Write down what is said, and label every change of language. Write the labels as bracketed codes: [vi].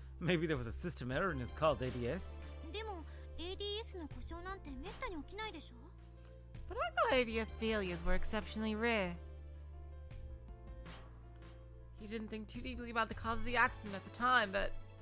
[en] Maybe there was a system error in his car's ADS. [ja] でも、ADSの故障なんてめったに起きないでしょ? [en] But I thought ADS failures were exceptionally rare. He didn't think too deeply about the cause of the accident at the time, but...